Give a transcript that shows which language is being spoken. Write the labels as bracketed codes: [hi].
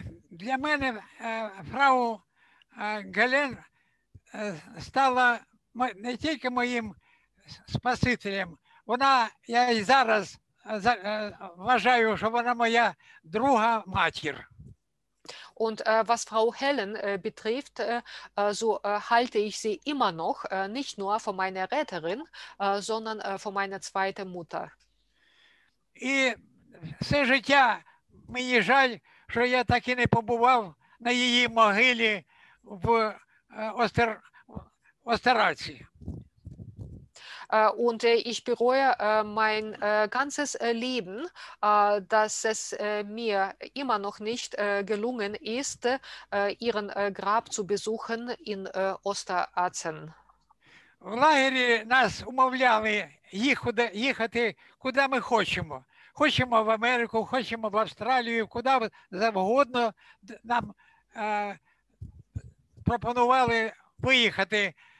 [uk] Для мене фрау Гален стала не тільки моїм спасителем, вона, я і зараз вважаю, що вона моя друга матір. [de] Und was Frau Helen betrifft, so halte ich sie immer noch nicht nur für meine Retterin, sondern für meine zweite Mutter. [uk] Все життя мені жаль, що я так і не побував на її могилі в Остерраці. [de] Und ich bereue mein ganzes Leben, dass es mir immer noch nicht gelungen ist, ihren Grab zu besuchen in Osterarzen. [uk] В лагері нас умовляли їхати куди ми хочемо. Хочемо в Америку, хочемо в Австралію, куди завгодно нам пропонували виїхати.